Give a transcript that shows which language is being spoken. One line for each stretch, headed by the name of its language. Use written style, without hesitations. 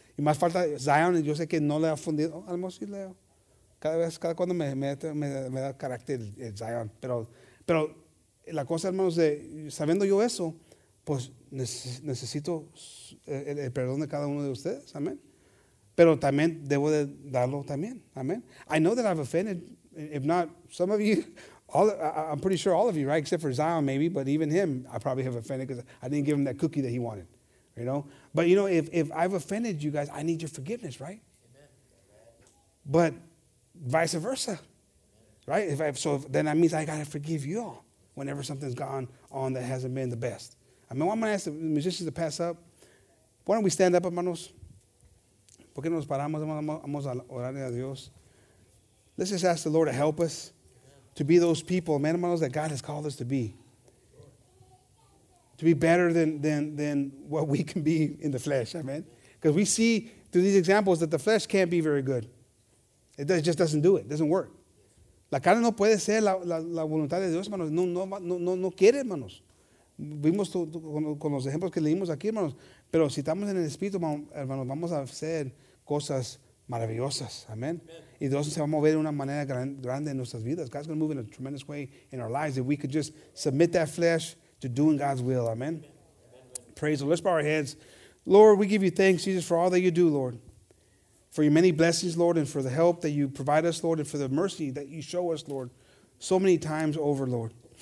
Spanish: Y más falta Zion, yo sé que no le ha ofendido. Oh, a lo mejor sí, Leo. Cada cuando me da carácter el Zion. Pero la cosa, hermanos, sabiendo yo eso, pues necesito el perdón de cada uno de ustedes. Amén. Pero también debo de darlo también. Amén.
English: I know that I've offended, if not some of you. I'm pretty sure all of you, right? Except for Zion, maybe, but even him, I probably have offended because I didn't give him that cookie that he wanted, you know? But, you know, if I've offended you guys, I need your forgiveness, right? Amen. But vice versa, amen. Right? Then that means I got to forgive you all whenever something's gone on that hasn't been the best. I mean, why am I going to ask the musicians to pass up? Why don't we stand up, hermanos?
Spanish: ¿Por qué nos paramos? Vamos a orar a Dios.
English: Let's just ask the Lord to help us to be those people, man, hermanos, that God has called us to be. To be better than what we can be in the flesh, amen? Because we see through these examples that the flesh can't be very good. It just doesn't do it. It doesn't work.
Spanish: La carne no puede ser la voluntad de Dios, hermanos. No quiere, hermanos. Vimos con los ejemplos que leímos aquí, hermanos. Pero si estamos en el Espíritu, hermanos, vamos a hacer cosas maravillosas, amen? Y Dios se va a mover de una manera grande en nuestras vidas.
English: God's going to move in a tremendous way in our lives if we could just submit that flesh to doing God's will. Amen. Amen. Praise the Lord. Let's bow our heads. Lord, we give you thanks, Jesus, for all that you do, Lord. For your many blessings, Lord, and for the help that you provide us, Lord, and for the mercy that you show us, Lord, so many times over, Lord.